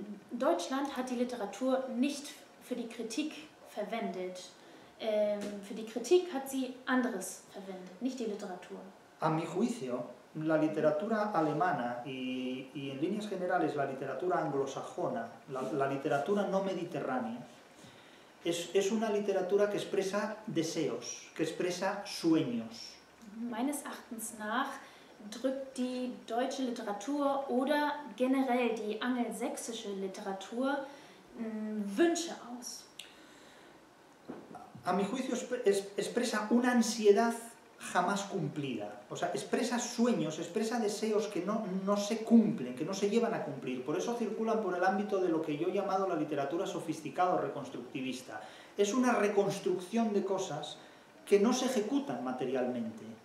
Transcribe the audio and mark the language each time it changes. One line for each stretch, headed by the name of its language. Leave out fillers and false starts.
German: Deutschland hat die Literatur nicht für die Kritik verwendet. Für die Kritik hat sie anderes verwendet, nicht die Literatur.
Spanish: A mi juicio, la literatura alemana y en líneas generales la literatura anglosajona, la literatura no mediterránea, es una literatura que expresa deseos, que expresa sueños.
German: Meines Erachtens nach drückt die deutsche Literatur oder generell die angelsächsische Literatur Wünsche aus.
Spanish: A mi juicio expresa una ansiedad jamás cumplida. O sea, expresa sueños, expresa deseos que no se cumplen, que no se llevan a cumplir. Por eso circulan por el ámbito de lo que yo he llamado la literatura sofisticada o reconstructivista. Es una reconstrucción de cosas que no se ejecutan materialmente.